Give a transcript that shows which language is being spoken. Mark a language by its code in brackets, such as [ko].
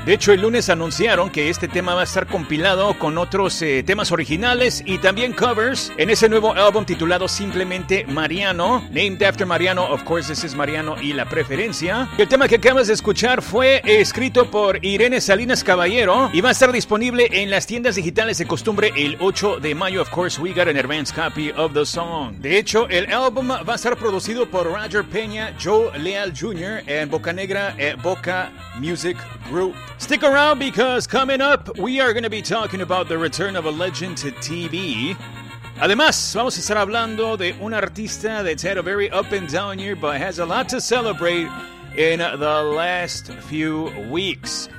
[es] De hecho, el lunes anunciaron que este tema va a estar compilado con otros temas originales y también covers en ese nuevo álbum titulado Simplemente Mariano. [en] Named after Mariano, of course, this is Mariano y La Preferencia. [es] El tema que acabas de escuchar fue escrito por Irene Salinas Caballero y va a estar disponible en las tiendas digitales de costumbre el 8 de mayo. [en] Of course, we got an advance copy of the song. [es] De hecho, el álbum va a ser producido por Roger Peña, Joe Leal Jr. en Boca Negra, Boca Music Group. [en] Stick around because coming up, we are going to be talking about the return of a legend to TV. [es] Además, vamos a estar hablando de un artista [en] that's had a very up and down year, but has a lot to celebrate in the last few weeks.